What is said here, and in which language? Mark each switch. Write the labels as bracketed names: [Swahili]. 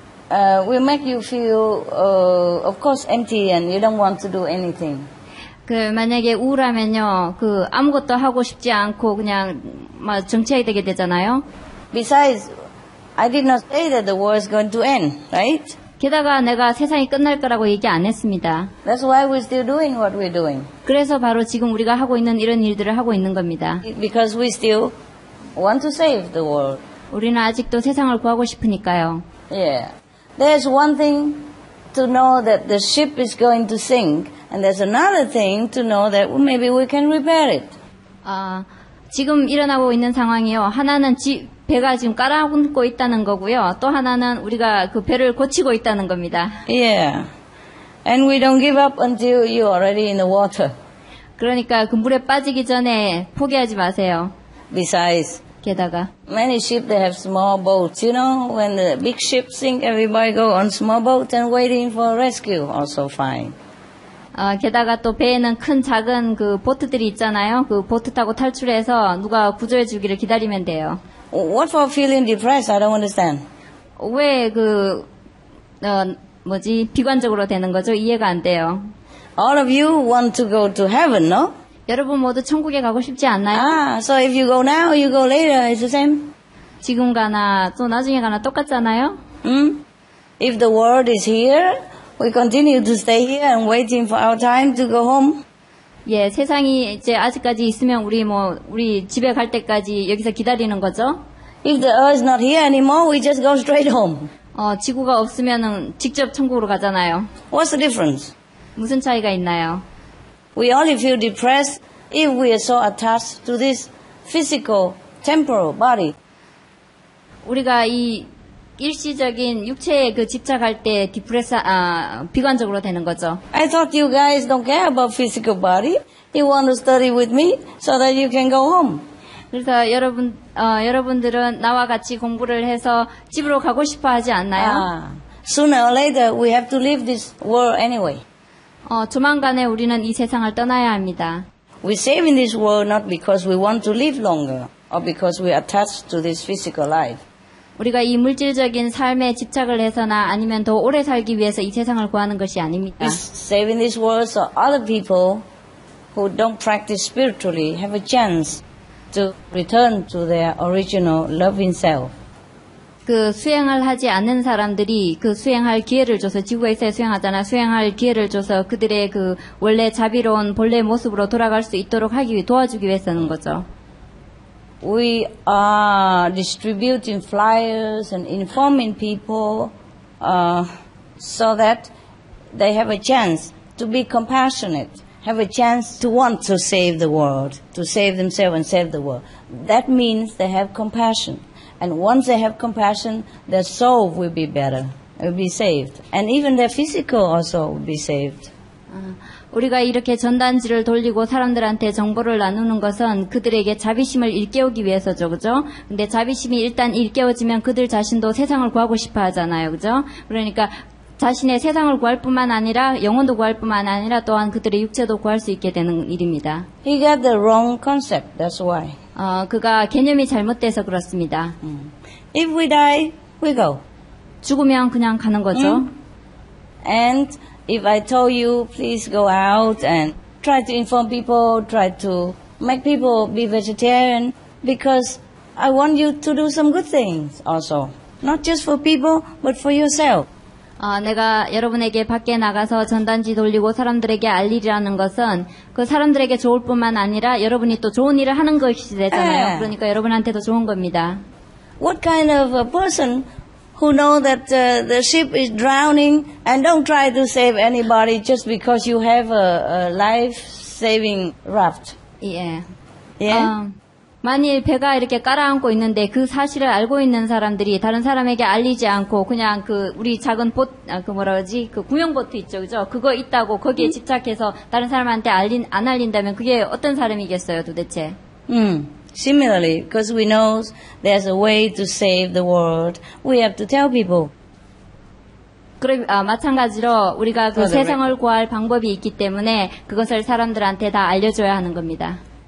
[English] will make you feel, of course, empty and you don't want to do anything. [Korean] 그 만약에 우울하면요, 그 아무것도 하고 싶지 않고 그냥 막 정체가 되게 되잖아요. [English] Besides, I did not say that the war is going to end, right? [Korean] 게다가 내가 세상이 끝날 거라고 얘기 안 했습니다. [English] That's why we're still doing what we're doing. [Korean] 그래서 바로 지금 우리가 하고 있는 이런 일들을 하고 있는 겁니다. [English] Because we still want to save the world. [Korean] 우리는 아직도 세상을 구하고 싶으니까요. [English] Yeah. There's one thing to know that the ship is going to sink, and there's another thing to know that maybe we can repair it. [Korean] 지금 일어나고 있는 상황이요. 하나는 배가 지금 깔아놓고 있다는 거고요. 또 하나는 우리가 그 배를 고치고 있다는 겁니다. [English] Yeah. And we don't give up until you're already in the water. [Korean] 그러니까 그 물에 빠지기 전에 포기하지 마세요. [English] Besides, [Korean] 게다가 [English] many ships they have small boats. You know, when the big ships sink, everybody go on small boat and waiting for rescue. Also fine. [Korean] 게다가 또 배에는 큰 작은 그 보트들이 있잖아요. 그 보트 타고 탈출해서 누가 구조해 주기를 기다리면 돼요. [English] What for feeling depressed? I don't understand. [Korean] 왜 그 뭐지 비관적으로 되는 거죠? 이해가 안 돼요. [English] All of you want to go to heaven, no? [Korean] 여러분 모두 천국에 가고 싶지 않나요? [English] Ah, so if you go now, you go later. It's the same. [Korean] 지금 가나 또 나중에 가나 똑같잖아요. [English] If the world is here, we continue to stay here and waiting for our time to go home. [Korean] 예, 세상이 이제 아직까지 있으면 우리 뭐 우리 집에 갈 때까지 여기서 기다리는 거죠. [English] If the earth is not here anymore, we just go straight home. [Korean] 지구가 없으면은 직접 천국으로 가잖아요. [English] What's the difference? [Korean] 무슨 차이가 있나요? [English] We only feel depressed if we are so attached to this physical, temporal body. [Korean] 우리가 이 일시적인 육체에 그 집착할 때 비관적으로 되는 거죠. [English] I thought you guys don't care about physical body. You want to study with me so that you can go home. [Korean] 그래서 여러분들은 나와 같이 공부를 해서 집으로 가고 싶어 하지 않나요? [English] Sooner or later, we have to leave this world anyway. [Korean] 조만간에 우리는 이 세상을 떠나야 합니다. [English] We save in this world not because we want to live longer or because we attached to this physical life. [Korean] 우리가 이 물질적인 삶에 집착을 해서나 아니면 더 오래 살기 위해서 이 세상을 구하는 것이 아닙니다. [English] It's saving this world so other people who don't practice spiritually have a chance to return to their original loving self. [Korean] 그 수행을 하지 않는 사람들이 그 수행할 기회를 줘서 지구에서 수행하잖아. 수행할 기회를 줘서 그들의 그 원래 자비로운 본래 모습으로 돌아갈 수 있도록 하기 위해 도와주기 위해서는 거죠. [English] We are distributing flyers and informing people so that they have a chance to be compassionate, have a chance to want to save the world, to save themselves and save the world. That means they have compassion. And once they have compassion, their soul will be better, will be saved. And even their physical also will be saved. [Korean] 우리가 이렇게 전단지를 돌리고 사람들한테 정보를 나누는 것은 그들에게 자비심을 일깨우기 위해서죠, 그죠? 근데 자비심이 일단 일깨워지면 그들 자신도 세상을 구하고 싶어 하잖아요, 그죠? 그러니까 자신의 세상을 구할 뿐만 아니라 영혼도 구할 뿐만 아니라 또한 그들의 육체도 구할 수 있게 되는 일입니다. [English] He got the wrong concept, that's why. [Korean] 그가 개념이 잘못돼서 그렇습니다. [English] If we die, we go. [Korean] 죽으면 그냥 가는 거죠? [English] And if I told you, please go out and try to inform people, try to make people be vegetarian, because I want you to do some good things also. Not just for people, but for yourself. [Korean] 내가 여러분에게 밖에 나가서 전단지 돌리고 사람들에게 알리라는 것은 그 사람들에게 좋을 뿐만 아니라 여러분이 또 좋은 일을 하는 것이 되잖아요. 그러니까 여러분한테도 좋은 겁니다. [English] What kind of a person who know that the ship is drowning and don't try to save anybody just because you have a life-saving raft. Yeah. Yeah. [Korean] 만일 배가 이렇게 깔아앉고 있는데 그 사실을 알고 있는 사람들이 다른 사람에게 알리지 않고 그냥 그 우리 작은 그 구명보트 있죠, 그죠? 그거 있다고 거기에 집착해서 다른 사람한테 안 알린다면 그게 어떤 사람이겠어요, 도대체? [English] Similarly, because we know there's a way to save the world, we have to tell people. [Korean] 그럼 마찬가지로 우리가 그 세상을 구할 방법이 있기 때문에 그것을 사람들한테 다 알려줘야 하는 겁니다.